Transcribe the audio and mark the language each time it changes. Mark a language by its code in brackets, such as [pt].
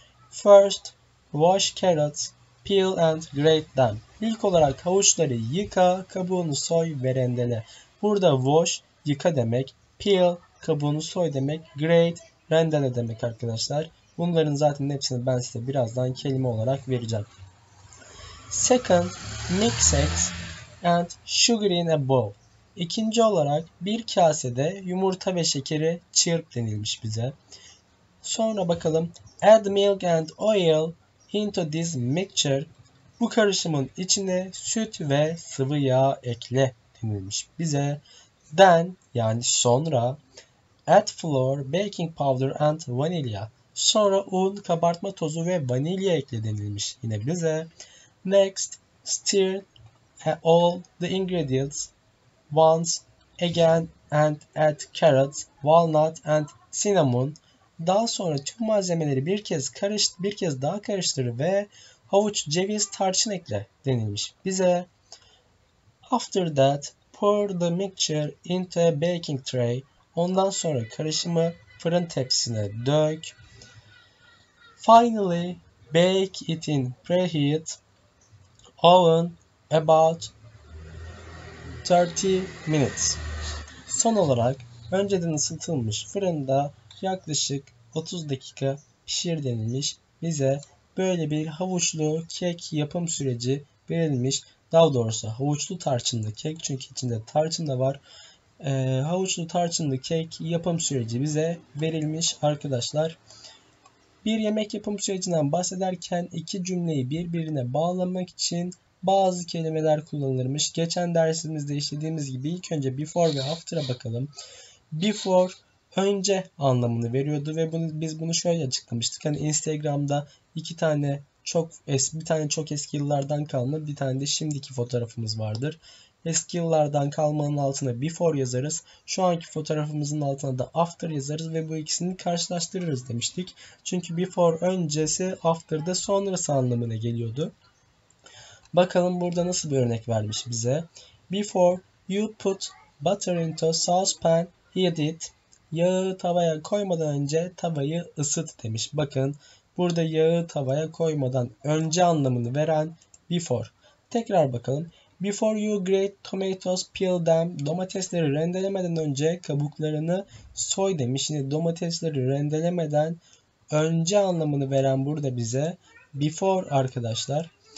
[en] First, wash carrots. Peel and grate them. [tr] İlk olarak havuçları yıka, kabuğunu soy ve rendele. Burada wash yıka demek, peel kabuğunu soy demek, grate rendele demek arkadaşlar. Bunların zaten hepsini ben size birazdan kelime olarak vereceğim. [en] Second, mix eggs and sugar in a bowl. [tr] İkinci olarak bir kasede yumurta ve şekeri çırp denilmiş bize. Sonra bakalım, [en] add milk and oil into this mixture. [tr] Bu karışımın içine süt ve sıvı yağ ekle denilmiş bize. [en] Then [tr] yani sonra [en] add flour, baking powder and vanilla. [tr] Sonra un, kabartma tozu ve vanilya eklenilmiş yine bize. [en] Next, stir all the ingredients once again and add carrot, walnut and cinnamon. [tr] Daha sonra tüm malzemeleri bir kez daha karıştır ve havuç, ceviz, tarçın ekle denilmiş bize. [en] After that, pour the mixture into a baking tray. [tr] Ondan sonra karışımı fırın tepsisine dök. [en] Finally, bake it in preheat oven about 30 minutes. [tr] Son olarak önceden ısıtılmış fırında yaklaşık 30 dakika pişir denilmiş bize. Böyle bir havuçlu kek yapım süreci verilmiş. Daha doğrusu havuçlu tarçınlı kek, çünkü içinde tarçın da var. Havuçlu tarçınlı kek yapım süreci bize verilmiş arkadaşlar. Bir yemek yapım sürecinden bahsederken iki cümleyi birbirine bağlamak için bazı kelimeler kullanılırmış. Geçen dersimizde işlediğimiz gibi ilk önce before ve after'a bakalım. Before önce anlamını veriyordu ve biz bunu şöyle açıklamıştık. Hani Instagram'da bir tane çok eski yıllardan kalma, bir tane de şimdiki fotoğrafımız vardır. Eski yıllardan kalmanın altına before yazarız. Şu anki fotoğrafımızın altına da after yazarız ve bu ikisini karşılaştırırız demiştik. Çünkü before öncesi, after da sonrası anlamına geliyordu. Bakalım burada nasıl bir örnek vermiş bize. [en] Before you put butter into saucepan, heat it. [tr] Yağı tavaya koymadan önce tavayı ısıt demiş. Bakın burada yağı tavaya koymadan önce anlamını veren before. Tekrar bakalım. [en] Before you grate tomatoes, peel them. [tr] Domatesleri rendelemeden önce kabuklarını soy demiş. Yine domatesleri rendelemeden önce anlamını veren burada bize before arkadaşlar.